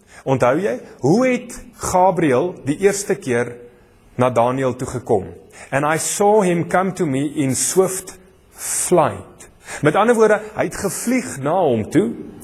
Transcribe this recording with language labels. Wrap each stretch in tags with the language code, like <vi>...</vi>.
<af>Onthou jy, hoe het Gabriël die eerste keer na Daniël toe gekom?</af> <en>And I saw him come to me in swift flight.</en> <af>Met ander woorde, hy het gevlieg na hom toe.</af>